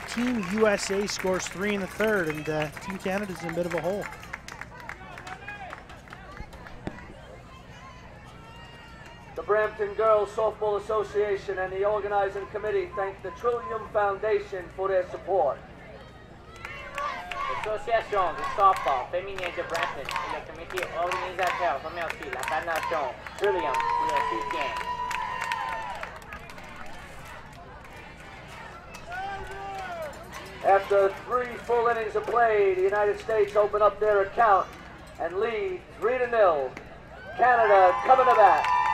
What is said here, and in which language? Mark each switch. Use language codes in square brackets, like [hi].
[en] Team USA scores 3 in the third, and Team Canada's in a bit of a hole. Brampton Girls Softball Association and the organizing committee thank the Trillium Foundation for their support. [fr] Association de softball féminine de Brampton et le comité organisateur remercie la Fédération Trillium pour leur soutien. [en] After three full innings of play, the United States open up their account and lead 3-0. Canada coming to bat.